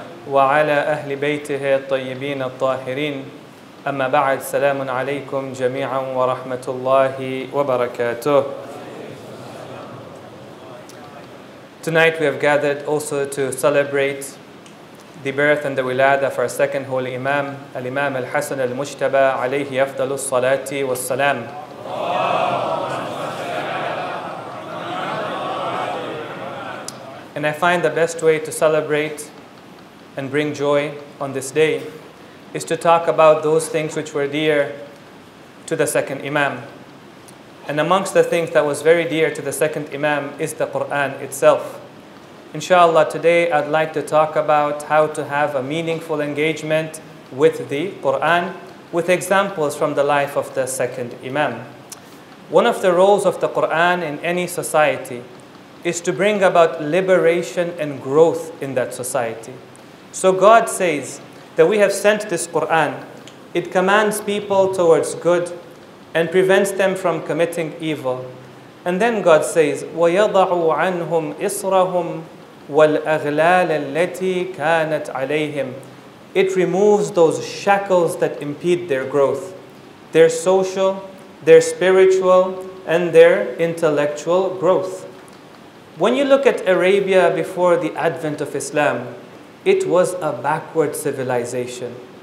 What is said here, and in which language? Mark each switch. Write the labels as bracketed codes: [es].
[ar] وعلى أهل بيته الطيبين الطاهرين أما بعد سلام عليكم جميعا ورحمة الله وبركاته. [en] Tonight we have gathered also to celebrate the birth and the wilada of our second holy Imam, Al-Imam Al-Hasan Al-Mujtaba, [ar] alayhi afdalu salati wa salam. [en] And I find the best way to celebrate and bring joy on this day is to talk about those things which were dear to the second Imam. And amongst the things that was very dear to the second Imam is the Quran itself. Inshallah, today I'd like to talk about how to have a meaningful engagement with the Quran with examples from the life of the second Imam. One of the roles of the Quran in any society is to bring about liberation and growth in that society. So God says that we have sent this Quran. It commands people towards good and prevents them from committing evil. And then God says, [ar] وَيَضَعُ عَنْهُمْ إِصْرَهُمْ وَالْأَغْلَالَ الَّتِي كَانَتْ عَلَيْهِمْ. [en] It removes those shackles that impede their growth, their social, their spiritual, and their intellectual growth. When you look at Arabia before the advent of Islam, it was a backward civilization.